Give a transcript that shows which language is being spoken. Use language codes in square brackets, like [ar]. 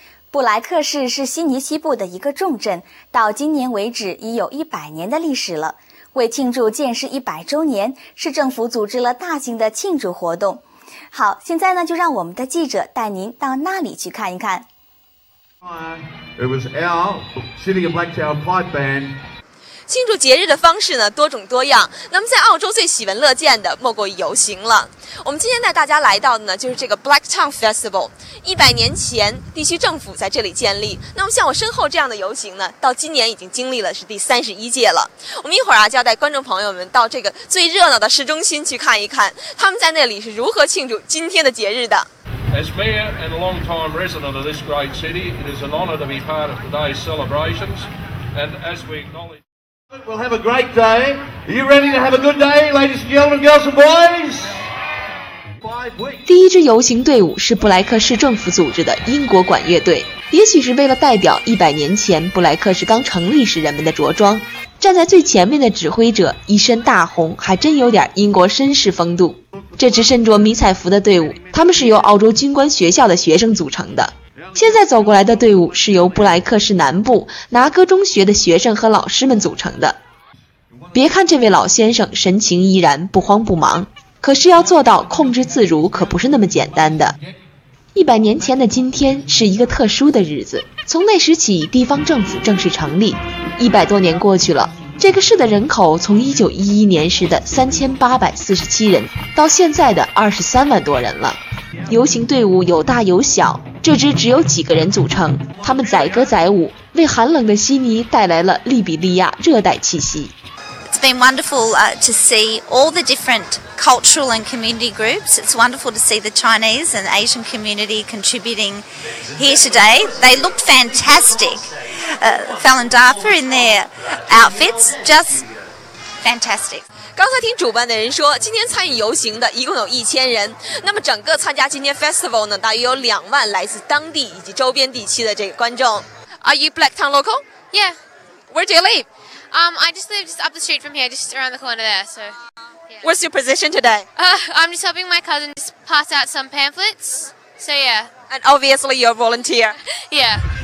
[zh] 布莱克市是悉尼西部的一个重镇，到今年为止已有100年的历史了。为庆祝建市100周年，市政府组织了大型的庆祝活动。好，现在呢，就让我们的记者带您到那里去看一看。 [en] It was our City of Blacktown Pipe Band。 [zh] 庆祝节日的方式呢多种多样，那么在澳洲最喜闻乐见的莫过于游行了。我们今天带大家来到的呢就是这个 Blacktown Festival， 100年前地区政府在这里建立。那么像我身后这样的游行呢，到今年已经经历了是第31届了。我们一会儿啊就要带观众朋友们到这个最热闹的市中心去看一看，他们在那里是如何庆祝今天的节日的。 [en] As mayor and a long time resident of this great city, it is an honor to be part of today's celebrations, and as we acknowledge. We'll have a great day. Are you ready to have a good day, ladies and gentlemen, girls and boys? [zh] 第一支游行队伍是布莱克市政府组织的英国管乐队，也许是为了代表100年前布莱克市刚成立时人们的着装。站在最前面的指挥者一身大红，还真有点英国绅士风度。这支身着迷彩服的队伍，他们是由澳洲军官学校的学生组成的。现在走过来的队伍是由布莱克市南部拿哥中学的学生和老师们组成的。别看这位老先生神情依然不慌不忙，可是要做到控制自如可不是那么简单的。 100年前的今天是一个特殊的日子，从那时起地方政府正式成立。 100多年过去了，这个市的人口从1911年时的3847人到现在的23万多人了。游行队伍有大有小，这支只有几个人组成，他们载歌载舞，为寒冷的悉尼带来了利比利亚热带气息。 [en] It's been wonderful to see all the different cultural and community groups. It's wonderful to see the Chinese and Asian community contributing here today. They looked fantastic. Falun Dafa in their outfits, just fantastic. [zh] 刚才听主办的人说，今天参与游行的一共有1000人，那么整个参加今天 festival 呢，大约有20000来自当地以及周边地区的这个观众。 [en] Are you Blacktown local? Yeah. Where do you live? I just live just up the street from here, just around the corner there. So.、Yeah. What's your position today? I'm just helping my cousin just pass out some pamphlets. So yeah. And obviously you're a volunteer. Yeah.